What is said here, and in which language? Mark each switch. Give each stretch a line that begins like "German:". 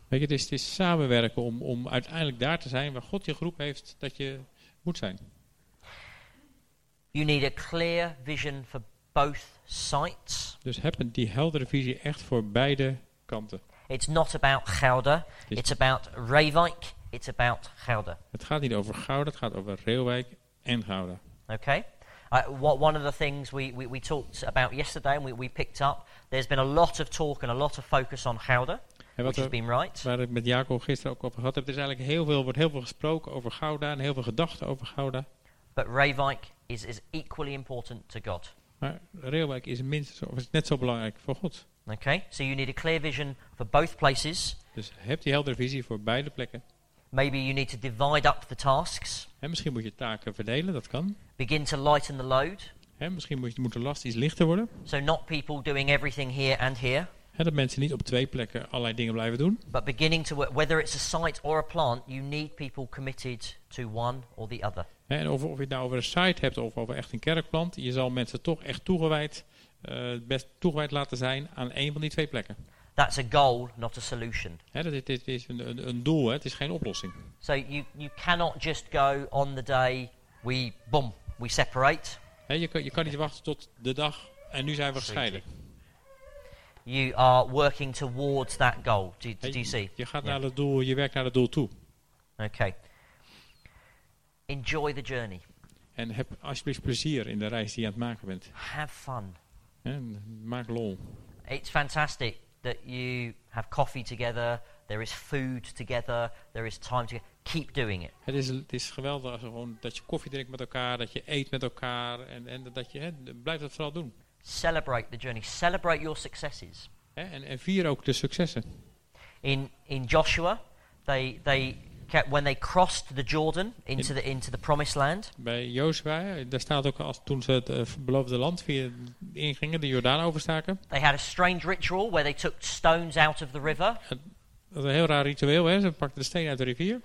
Dutch: Weet je, het is samenwerken om uiteindelijk daar te zijn waar God je groep heeft dat je moet zijn.
English: You need a clear vision for both sites.
Dutch: Dus heb die heldere visie echt voor beide kanten.
English: It's not about Gouda, it's about Reewijk. It's about Gouda.
Dutch: Het gaat niet over Gouda, het gaat over Reewijk en Gouda.
English: Okay. One of the things we talked about yesterday and we picked up, there's been a lot of talk and a lot of focus on Gouda, which has been right.
Dutch: Waar ik met Jacob gisteren ook over gehad heb, er is eigenlijk heel veel gesproken over Gouda en heel veel gedachten over Gouda.
English: But Reewijk is equally important to God.
Dutch: Maar Reewijk is minstens of is net zo belangrijk voor God.
English: Okay. So you need a clear vision for both places.
Dutch: Dus heb die heldere visie voor beide plekken.
English: Maybe you need to divide up the tasks.
Dutch: Misschien moet je taken verdelen, dat kan.
English: Begin to lighten the load.
Dutch: Misschien moet de last iets lichter worden.
English: So not people doing everything here and here.
Dutch: Dat mensen niet op twee plekken allerlei dingen blijven doen.
English: But beginning to work, whether it's a site or a plant, you need people committed to one or the other.
Dutch: En of je het nou over een site hebt of over echt een kerkplant, je zal mensen toch echt toegewijd laten zijn aan één van die twee plekken.
English: That's a goal, not a solution.
Dutch: Dit is een doel, het is geen oplossing.
English: So you cannot just go on the day we separate.
Dutch: Je kan niet wachten tot de dag en nu zijn we gescheiden.
English: You are working towards that goal. Do you see?
Dutch: Je gaat naar het doel, je werkt naar het doel toe.
English: Okay. Enjoy the journey.
Dutch: En heb alsjeblieft plezier in de reis die je aan het maken bent.
English: Have fun.
Dutch: En maak lol.
English: It's fantastic that you have coffee together, there is food together, there is time together. Keep doing it.
Dutch: Het is geweldig als gewoon dat je koffie drinkt met elkaar, dat je eet met elkaar en dat je blijft dat vooral doen.
English: Celebrate the journey. Celebrate your successes.
Dutch: En vier ook de successen.
English: In Joshua, when they crossed the Jordan into the promised land.
Dutch: Bij Joshua, daar staat ook als toen ze het beloofde land via ingingen, de Jordaan overstaken.
English: They had a strange ritual where they took stones out of the river.
Dutch: Dat was een heel raar ritueel, ze pakten de steen uit de rivier.